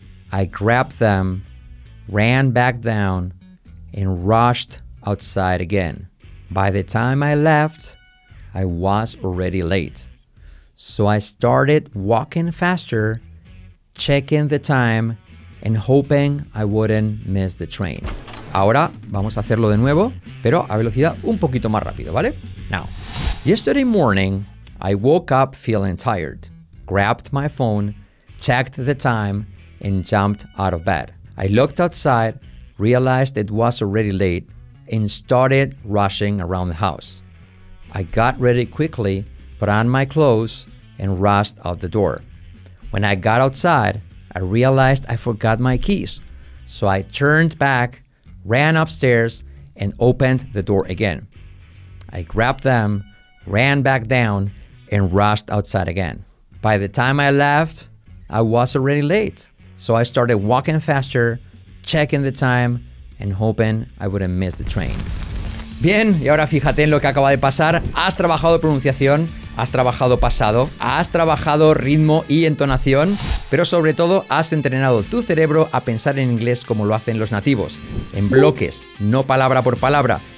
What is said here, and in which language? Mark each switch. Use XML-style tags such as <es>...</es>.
<en>I grabbed them, ran back down, and rushed outside again. By the time I left, I was already late. So I started walking faster, checking the time, and hoping I wouldn't miss the train.</en> <es>Ahora vamos a hacerlo de nuevo, pero a velocidad un poquito más rápido, ¿vale?</es> <en>Now, yesterday morning, I woke up feeling tired, grabbed my phone, checked the time, and jumped out of bed. I looked outside, realized it was already late, and started rushing around the house. I got ready quickly, put on my clothes, and rushed out the door. When I got outside, I realized I forgot my keys, so I turned back, ran upstairs, and opened the door again. I grabbed them, ran back down, and rushed outside again. By the time I left, I was already late, so I started walking faster, checking the time, and hoping I wouldn't miss the train.</en> <es>Bien, y ahora fíjate en lo que acaba de pasar. Has trabajado pronunciación, has trabajado pasado, has trabajado ritmo y entonación, pero sobre todo has entrenado tu cerebro a pensar en inglés como lo hacen los nativos, en bloques, no palabra por palabra.</es>